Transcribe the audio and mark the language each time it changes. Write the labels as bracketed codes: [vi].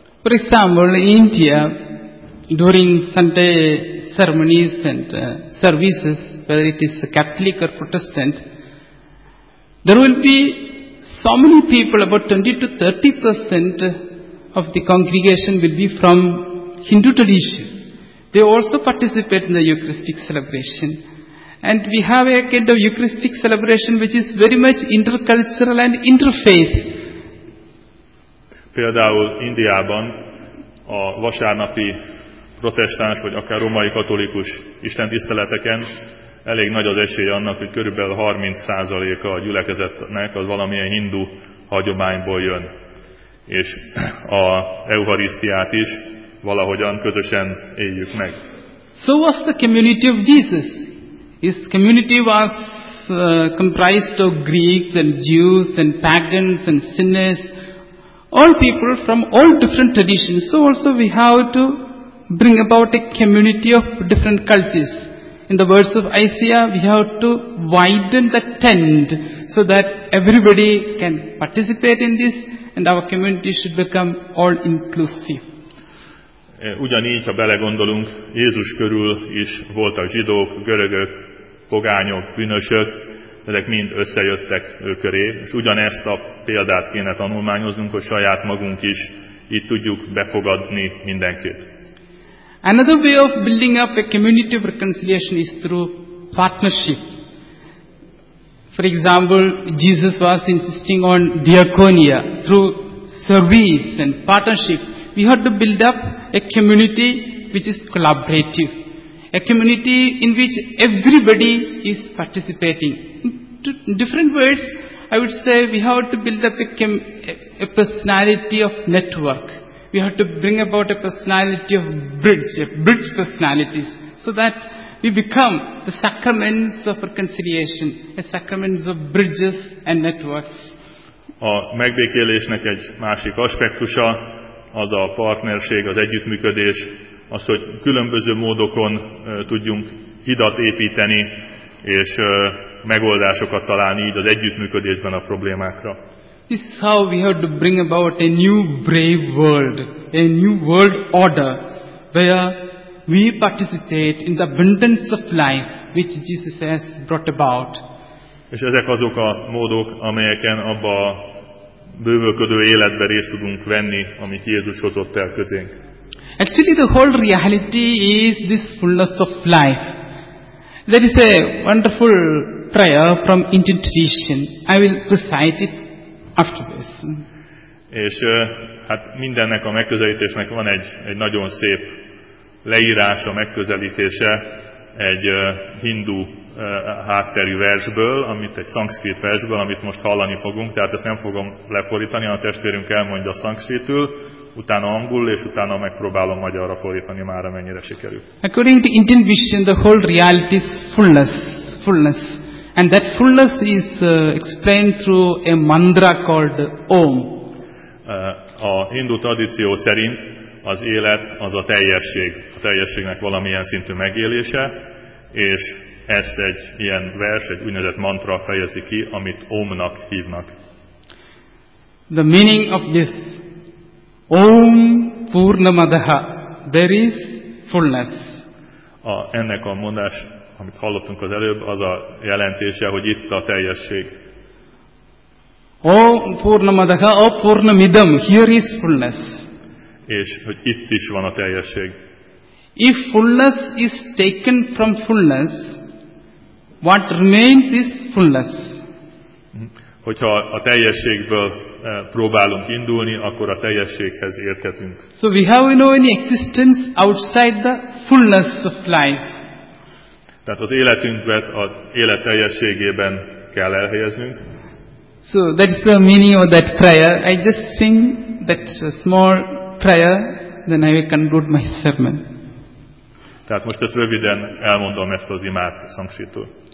[en] For example, India, during Sunday ceremonies and services, whether it is a Catholic or Protestant, there will be so many people, about 20-30% of the congregation will be from Hindu tradition. They also participate in the Eucharistic celebration. And we have a kind of Eucharistic celebration which is very much intercultural and interfaith. [hu] Például Indiában a vasárnapi protestáns vagy akár római katolikus istentiszteleteken elég nagy az esély annak, hogy körülbelül 30%-a a gyülekezetnek az valamilyen hindu hagyományból jön. És a Eucharisztiát is valahogyan közösen éljük meg. [en] So was the community of Jesus. His community was comprised of Greeks and Jews and pagans and sinners, all people from all different traditions. So also we have to bring about a community of different cultures. In the words of Isaiah, we have to widen the tent so that everybody can participate in this and our community should become all inclusive. [hu] Ugyanígy, ha belegondolunk, Jézus körül is voltak zsidók, görögök, pogányok, bűnösök, ezek mind összejöttek ő köré, és ugyanezt a példát kéne tanulmányoznunk, hogy saját magunk is így tudjuk befogadni mindenkit. [en] Another way of building up a community of reconciliation is through partnership. For example, Jesus was insisting on diakonia through service and partnership. We have to build up a community which is collaborative, a community in which everybody is participating. In different words, I would say we have to build up a personality of network. We have to bring about a personality of bridge, a bridge personalities, so that we become the sacraments of reconciliation, a sacraments of bridges and networks. [hu] A megbékélésnek egy másik aspektusa az a partnerség, az együttműködés, az, hogy különböző módokon tudjunk hidat építeni, és megoldásokat találni így az együttműködésben a problémákra. [en] This is how we have to bring about a new brave world, a new world order, where we participate in the abundance of life which Jesus has brought about. [hu] És ezek azok a módok, amelyeken abba a bővölködő életbe részt tudunk venni, amit Jézus hozott el közénk. [en] Actually, the whole reality is this fullness of life. There is a wonderful prayer from Indian tradition. I will recite it after this. [hu] És hát mindennek a megközelítésnek van egy nagyon szép leírása, megközelítése egy hindu hátterű versből, amit egy szanszkrit versből, amit most hallani fogunk, tehát ezt nem fogom lefordítani, hanem a testvérünk elmondja a szanszkritül, utána angol, és utána megpróbálom magyarra fordítani, már amennyire sikerül. [en] According to Indian vision, the whole reality is fullness, and that fullness is explained through a mantra called Om. [hu] A hindu tradíció szerint az élet az a teljesség, a teljességnek valamilyen szintű megélése, és ezt egy ilyen vers, egy úgynevezett mantra fejezi ki, amit Omnak hívnak. [en] The meaning of this [sa] Om Purnamadaha, [en] there is fullness. [hu] Ennek a mondás, amit hallottunk az előbb, az a jelentése, hogy itt a teljesség. [sa] Om Purnamadaha, O Purnamidam, [en] here is fullness. [hu] És hogy itt is van a teljesség. [en] If fullness is taken from fullness, what remains is fullness. [hu] Hogyha a teljességből próbálunk indulni, akkor a teljességhez érkezünk. [en] So we have no any existence outside the fullness of life. [hu] Tehát az életünket az élet teljességében kell elhelyeznünk. [en] So that is the meaning of that prayer. I just sing that small prayer, then I will conclude my sermon. [hu] Tehát most ezt röviden elmondom, ezt az imát szanszkritul.